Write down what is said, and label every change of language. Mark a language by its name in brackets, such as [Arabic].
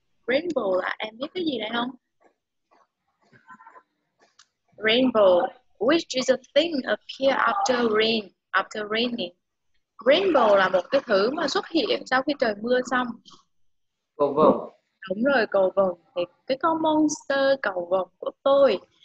[Vietnamese] Rainbow là em biết cái gì đây không? [English] Rainbow, which is a thing appear after rain, after raining. [Vietnamese] Rainbow là một cái thứ mà xuất hiện sau khi trời mưa xong. Cầu vồng. Đúng rồi, cầu vồng. Thì cái con monster cầu vồng của tôi.